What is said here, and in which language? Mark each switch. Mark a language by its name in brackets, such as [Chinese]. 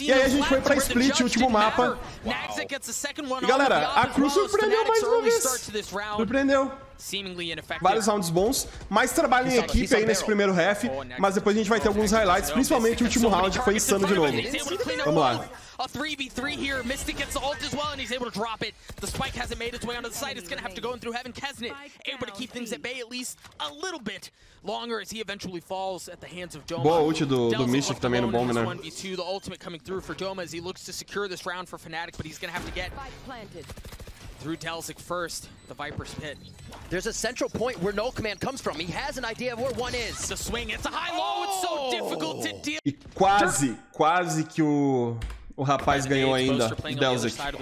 [Portuguese] E aí a gente foi pra split, último mapa. E, galera, a Crew surpreendeu mais uma vez. Surpreendeu. Vários rounds bons, mais trabalho em equipe aí nesse primeiro half, mas depois a gente vai ter alguns highlights, principalmente o último round, que foi insano de novo. Vamos lá. [English] A 3v3 here, Mystic gets the ult as well, and he's able to drop it. The spike hasn't made its way onto the site, it's gonna have to go in through heaven. Kasnit able to keep things at bay at least a little bit longer as he eventually falls at the hands of Joma. [Portuguese] Boa ult do Mystic também no bomb, né? [English] 1v2, the ultimate coming through for Joma as he looks to secure this round for Fnatic, but he's gonna have to get through Delzic first, the Viper's pit. There's a central point where no command comes from. He has an idea of where one is. The swing, it's a high-low, it's so difficult to deal. [Portuguese] E quase, quase que o rapaz ganhou ainda, Delzic.